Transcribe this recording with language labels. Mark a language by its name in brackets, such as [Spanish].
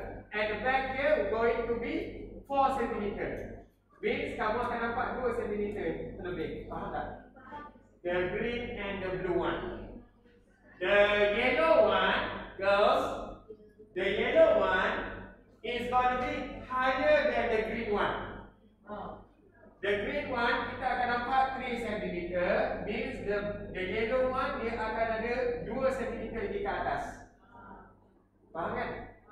[English] And the back here going to be 4 cm. [Malay] Means, kamu akan nampak 2 cm lebih. Faham tak? [English] The green and the blue one. The yellow one, girls, the yellow one is going to be higher than the green one. The green one, [Malay] kita akan nampak 3 cm. [English] Means, the yellow one, [Malay] dia akan ada 2 cm lebih ke atas. Faham kan?